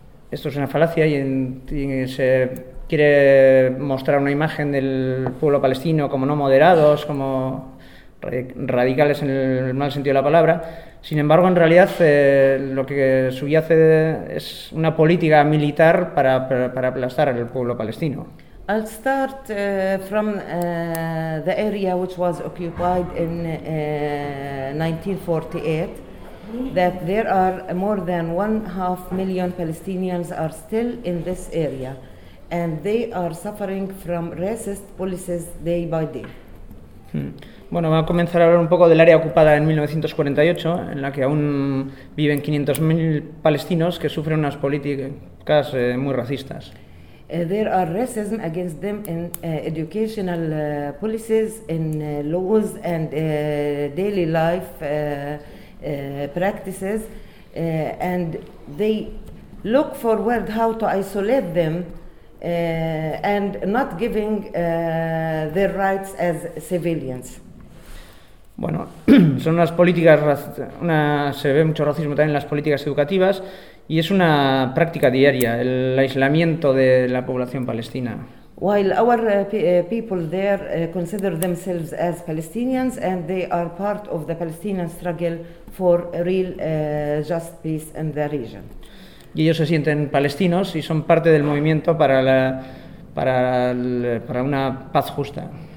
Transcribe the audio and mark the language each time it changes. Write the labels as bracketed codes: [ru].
[es] Esto es una falacia y se quiere mostrar una imagen del pueblo palestino como no moderados, como radicales en el mal sentido de la palabra. Sin embargo, en realidad, lo que subyace es una política militar para aplastar al pueblo palestino. [en] I'll start from the area which was occupied in 1948, that there are more than 500,000 Palestinians are still in this area, and they are suffering from racist policies day by day. [es] Bueno, voy a comenzar a hablar un poco del área ocupada en 1948, en la que aún viven 500,000 palestinos que sufren unas políticas muy racistas. [en] There are racism against them in educational policies, in laws and daily life practices, and they look forward how to isolate them and not giving their rights as civilians. [es] Bueno, son unas políticas, se ve mucho racismo también en las políticas educativas. Y es una práctica diaria el aislamiento de la población palestina. [en] While our people there consider themselves as Palestinians and they are part of the Palestinian struggle for real just peace in the region. [es] Y ellos se sienten palestinos y son parte del movimiento para la para una paz justa.